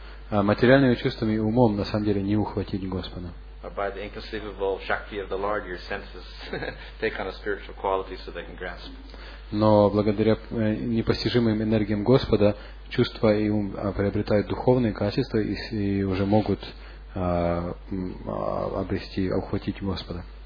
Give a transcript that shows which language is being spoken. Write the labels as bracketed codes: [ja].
[ru] Материальными чувствами и умом на самом деле не ухватить Господа. [en] By the inconceivable shakti of the Lord, your senses take on a spiritual quality so they can grasp. [ru] Но благодаря непостижимым энергиям Господа чувства и ум приобретают духовные качества и уже могут обрести, ухватить Господа.